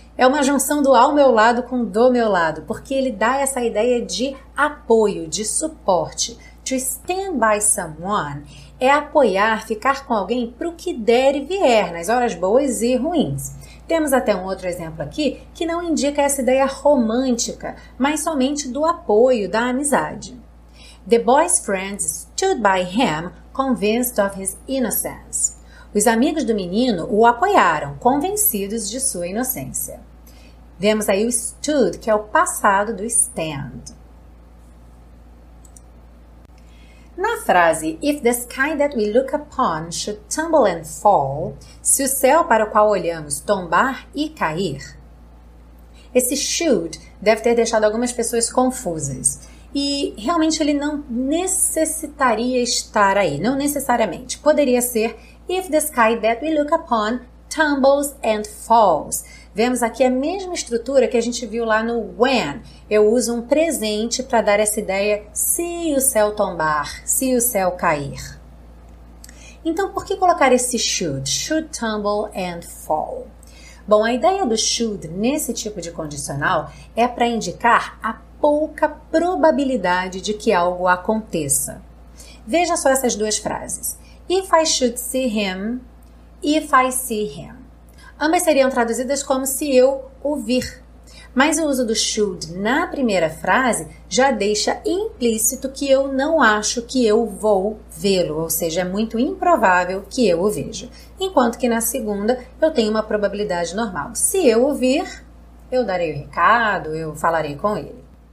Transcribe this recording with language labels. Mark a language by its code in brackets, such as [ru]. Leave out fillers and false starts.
[pt] É uma junção do ao meu lado com do meu lado, porque ele dá essa ideia de apoio, de suporte. [en] To stand by someone [pt] é apoiar, ficar com alguém para o que der e vier, nas horas boas e ruins. Temos até um outro exemplo aqui que não indica essa ideia romântica, mas somente do apoio, da amizade. [en] The boy's friends stood by him, convinced of his innocence. [pt] Os amigos do menino o apoiaram, convencidos de sua inocência. Vemos aí o stood, que é o passado do stand. Na frase, [en] if the sky that we look upon should tumble and fall, [pt] se o céu para o qual olhamos tombar e cair, esse should deve ter deixado algumas pessoas confusas. E realmente ele não necessitaria estar aí, não necessariamente. Poderia ser, [en] if the sky that we look upon tumbles and falls. [pt] Vemos aqui a mesma estrutura que a gente viu lá no when. Eu uso um presente para dar essa ideia, se o céu tombar, se o céu cair. Então, por que colocar esse should? [en] Should tumble and fall. [pt] Bom, a ideia do should nesse tipo de condicional é para indicar a pouca probabilidade de que algo aconteça. Veja só essas duas frases. [en] If I should see him, if I see him. [pt] Ambas seriam traduzidas como se eu o vir. Mas o uso do should na primeira frase já deixa implícito que eu não acho que eu vou vê-lo, ou seja, é muito improvável que eu o veja. Enquanto que na segunda eu tenho uma probabilidade normal. Se eu o vir, eu darei o recado, eu falarei com ele.